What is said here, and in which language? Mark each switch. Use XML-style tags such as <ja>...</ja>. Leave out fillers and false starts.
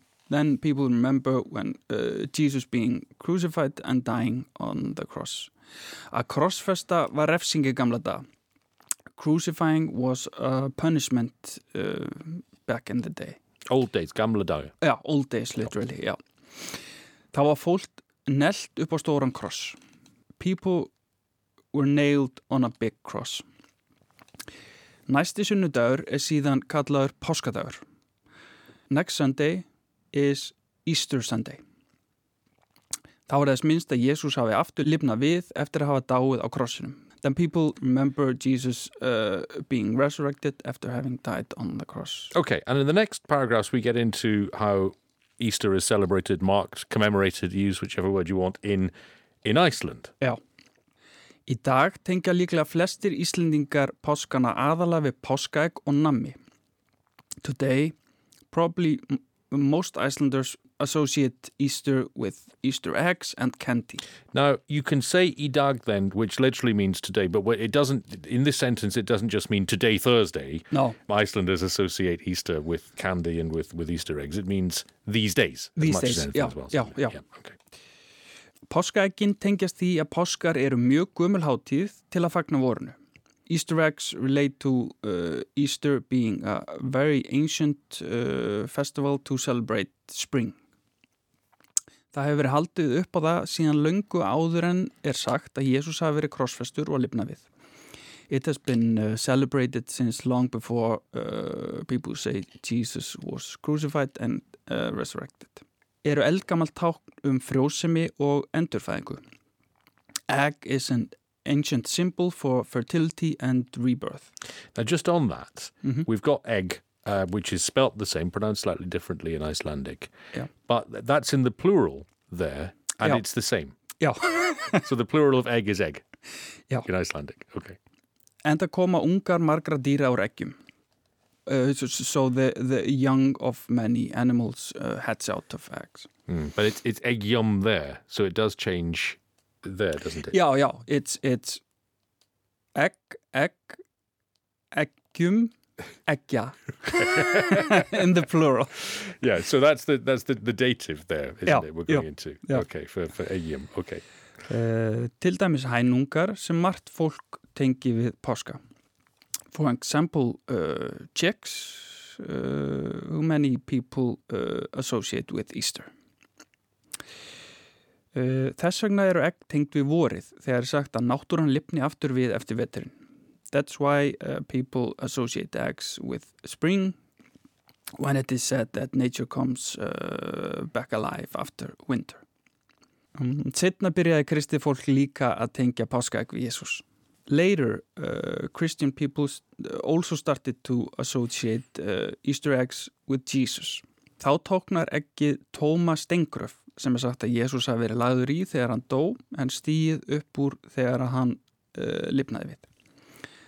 <en>Then people remember when Jesus being crucified and dying on the cross.</en> <is>A krossfesta var refsingi gamla dag.</is> <en>Crucifying was a punishment back in the day. Old days,</en> <is>gamla dag.</is> <en>Yeah, old days, literally, yeah.</en> <is>Það var fólk nelt upp á stóran kross.</is> <en>People were nailed on a big cross.</en> <is>Næsti sunnudagur síðan kallaður páskadagur.</is> <en>Next Sunday is Easter Sunday.</en> <is>Þá var þess minnst að Jesús hafi aftur lifnað við eftir að hafa dáið á krossinum.</is> <en>Then people remember Jesus being resurrected after having died on the cross. Okay, and in the next paragraphs we get into how Easter is celebrated, marked, commemorated, use whichever word you want, in Iceland.</en> <is>Já. Í dag tengja líklega flestir Íslendingar páskana aðala við páskaegg og nammi.</is> <en>Today, probably most Icelanders associate Easter with Easter eggs and candy. Now, you can say</en> <is>I dag</is> <en>then, which literally means today, but it doesn't, in this sentence, it doesn't just mean today, Thursday. No. Icelanders associate Easter with candy and with Easter eggs. It means these days. These as days, as well. Okay.</en> <is>Páskaeggin tengjast því að páskar eru mjög gömul hátíð til að fagna vorinu.</is> <en>Easter eggs relate to Easter being a very ancient festival to celebrate spring.</en> <is>Það hefur verið haldið upp á það síðan löngu áður en sagt að Jesús hafi verið krossfestur og lifnað við.</is> <en>It has been celebrated since long before people say Jesus was crucified and resurrected.</en> <is>Eru eldgamalt tákn frjósemi og endurfæðingu.</is> <en>Egg is an ancient symbol for fertility and rebirth. Now, just on that, mm-hmm. we've got egg, which is spelt the same, pronounced slightly differently in Icelandic. Yeah. But that's in the plural there, and yeah. it's the same. Yeah. So the plural of egg is egg yeah. in Icelandic. Okay.</en> <is>And the koma ungar margra dýra úr eggjum.</is> <en>So the young of many animals hatch out of eggs. Mm, but it's egg yum there, so it does change there, doesn't it? Yeah, yeah. It's egg, eggjum, eggja in the plural. Yeah, so that's the dative there, isn't yeah, it, we're going yeah, into. Yeah. Okay, for egg yum, okay.</en> <is>Til dæmis hænungar sem margt fólk tengi við páska.</is> <en>For example, chicks, who many people associate with Easter.</en> <is>Þess vegna eru egg tengd við vorið þegar sagt að náttúran lifni aftur við eftir veturinn.</is> <en>That's why people associate eggs with spring when it is said that nature comes back alive after winter.</en> <is>Setna byrjaði kristið fólk líka að tengja páskaegg við Jesús.</is> <en>Later, Christian people also started to associate Easter eggs with Jesus.</en> <is>Þá tóknar eggið tóma steingröf sem sagt að Jesús hafi verið lagður í þegar hann dó en stíð upp úr þegar hann lifnaði við.</is>